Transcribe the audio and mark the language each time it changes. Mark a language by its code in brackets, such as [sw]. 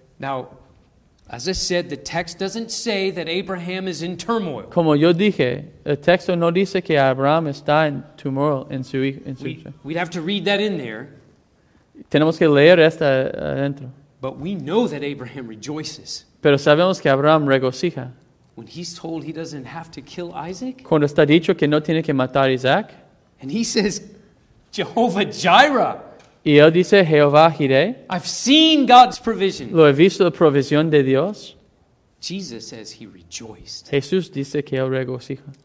[en] Now, as I said, the text doesn't say that Abraham is in turmoil. [es] Como yo dije, el texto no dice que Abraham está en turmoil en su. [en] We'd have to read that in there. [es] Tenemos que leer esta adentro. [en] But we know that Abraham rejoices. [es] Pero sabemos que Abraham regocija. [en] When he's told he doesn't have to kill Isaac. [es] Cuando está dicho que no tiene que matar Isaac. [en] And he says, Jehovah Jireh. [es] Y él dice, Jehová Jireh. [en] I've seen God's provision. [es] Lo he visto la provisión de Dios. [en] Jesus says he rejoiced. [es] Jesús dice que él regocija.